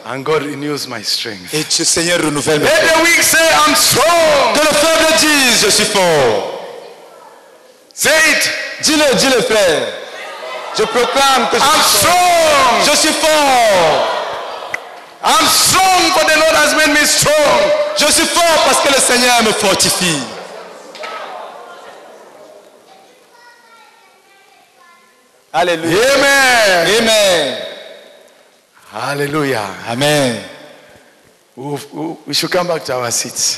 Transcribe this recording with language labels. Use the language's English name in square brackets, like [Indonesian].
[English] And God renews my strength. [French] Et le Seigneur renouvelle mes forces. [English] Let the weak say, I'm strong. [French] Que le faible dise, je suis fort. [English] Say it. [French] Dis-le, frère. Je proclame que [English] I'm strong. [French] Je suis fort. [English] I'm strong, for the Lord has made me strong. [French] Je suis fort parce que le Seigneur me fortifie. Alléluia. Amen. Alléluia. [English] Amen. We should come back to our seats.